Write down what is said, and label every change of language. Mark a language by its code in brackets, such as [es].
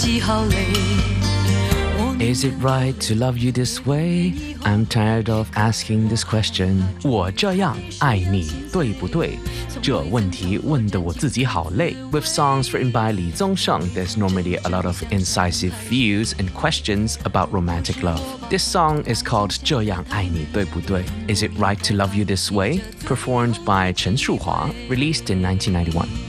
[en] Is it right to love you this way? I'm tired of asking this question. [zh] 我这样爱你对不对？这问题问得我自己好累. [en] With songs written by Li Zongsheng, there's normally a lot of incisive views and questions about romantic love. This song is called 这样爱你对不对?Is it right to love you this way? Performed by Chen Shuhua, released in 1991.